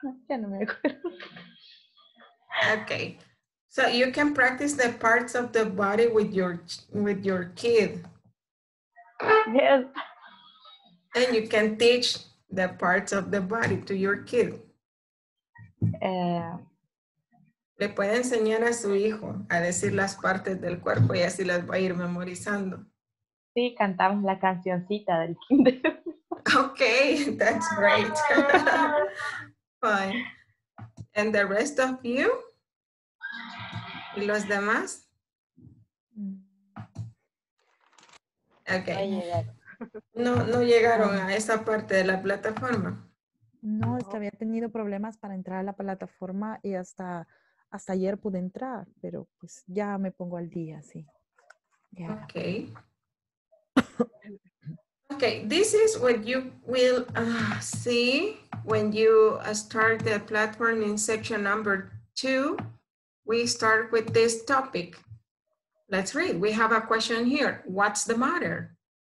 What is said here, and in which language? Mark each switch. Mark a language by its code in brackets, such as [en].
[en] Okay, so you can practice the parts of the body with your kid. Yes. And you can teach the parts of the body to your kid. [es] Le puede enseñar a su hijo a decir las partes del cuerpo y así las va a ir memorizando. Sí, cantamos la cancioncita del kinder. [en] Okay, that's great. Fine. And the rest of you? [es] ¿Y los demás? [en] Okay. [es] No llegaron a esa parte de la plataforma. No, es que había tenido problemas para entrar a la plataforma y hasta ayer pude entrar, pero pues ya me pongo al día, sí. [en] Yeah. Okay. Okay, this is what you will see when you start the platform in section number 2. We start with this topic. Let's read. We have a question here. What's the matter?